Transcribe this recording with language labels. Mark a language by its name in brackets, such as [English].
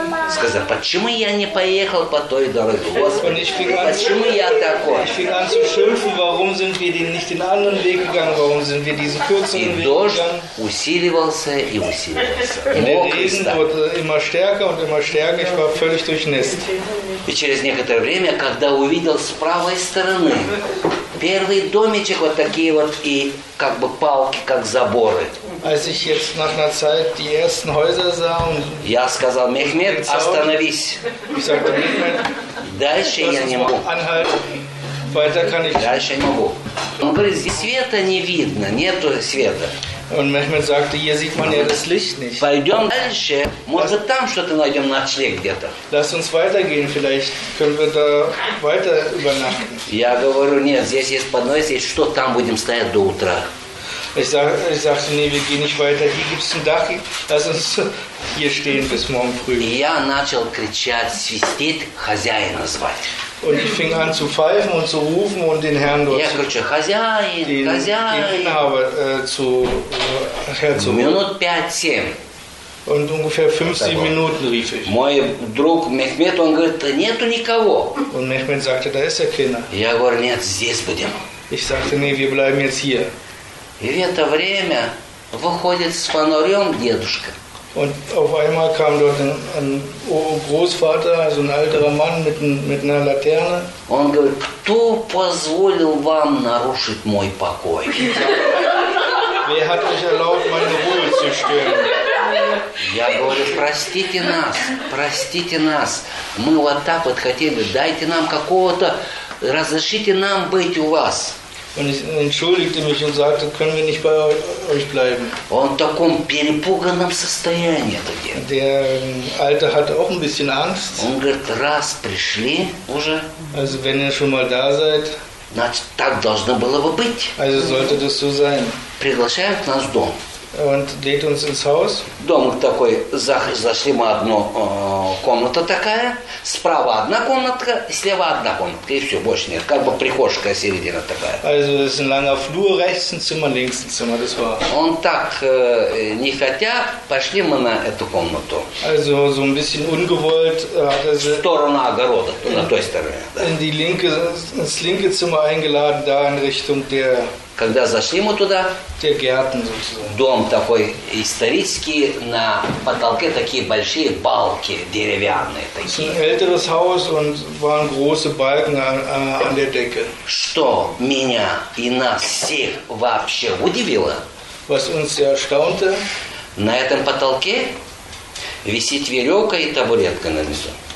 [Russian] Сказал, почему я не поехал по той дороге? Господи, почему я такой? [German] Ich fing an zu schimpfen, warum sind wir nicht den anderen Weg gegangen, warum sind wir diesen kürzeren Weg gegangen? [Russian] И дождь усиливался и усиливался. [German] Der Regen wurde immer stärker und immer stärker, ich war völlig durchnässt. [Russian] И через некоторое время, когда увидел с правой стороны первый домичек, вот такие вот, и как бы палки, как заборы. [German] Als ich jetzt nach einer Zeit die ersten Häuser sah und [Russian] я сказал, Мехмед, остановись. [German] Ich sagte, Мехмед, [Russian] дальше я не могу. [German] Anhalten. Weiter kann ich. [Russian] Дальше не могу. Он говорит, здесь света не видно, нету света. [German] Und Mehmet sagte, hier sieht man ja das Licht nicht. [Russian] Пойдем дальше, может там что-то найдем, ночлег где-то. [German] Lass uns weitergehen, vielleicht können wir da weiter übernachten. [Russian] Я говорю, нет, здесь есть подносить, что там будем стоять до утра. [German] Ich sagte, nee, wir gehen nicht weiter, hier gibt es ein Dach, lass uns hier stehen bis morgen früh. [Russian] Я начал кричать, свистеть, хозяина звать. [German] Und ich fing an zu pfeifen und zu rufen und den Herrn dort zu rufen. Den Inhaber zu rufen. Und ungefähr 5-7 Minuten rief ich. [Russian] Мой друг Мехмед, он говорит, нету никого. [German] Und Мехмед sagte, da ist ja keiner. [Russian] Я говорю, нет, здесь будем. [German] Ich sagte, nee, wir bleiben jetzt hier. [Russian] И в это время выходит с фонарем дедушка. [German] Und auf einmal kam dort ein Großvater, also ein älterer Mann mit einer Laterne. [Russian] Он говорит, кто позволил вам нарушить мой покой? [German] Wer hat euch erlaubt, meine Ruhe zu stören? [Russian] Я говорю, простите нас, мы вот так вот хотели, дайте нам какого-то, разрешите нам быть у вас. [German] Und ich entschuldigte mich und sagte, können wir nicht bei euch bleiben. [Russian] Он в таком перепуганном состоянии. [German] Der Alte hatte auch ein bisschen Angst. [Russian] Он говорит, раз пришли уже. [German] Also wenn ihr schon mal da seid. [Russian] Значит, так должно было бы быть. [German] Also sollte das so sein. [Russian] Приглашают нас в дом. [German] Und lädt uns ins Haus. [Russian] Дом такой, зашли мы одну комната такая, справа одна комнатка, слева одна комнатка, и все, больше нет. Как бы прихожка середина такая. [German] Also, das ist ein langer Flur, rechts ein Zimmer, links ein Zimmer, das war. [Russian] Он так, не хотя, пошли мы на эту комнату. [German] Also, so ein bisschen ungewollt. [Russian] В сторону огорода, на той стороне. [German] In die linke, ins linke Zimmer eingeladen, da in Richtung der... [Russian] Когда зашли мы туда, [German] Gärten, [Russian] дом такой исторический, на потолке такие большие балки деревянные такие. [German] Ein älteres Haus und waren große Balken an der Decke. [Russian] Что меня и нас всех вообще удивило? [German] Was uns sehr erstaunte? [Russian] На этом потолке висит веревка и табуретка нанизу.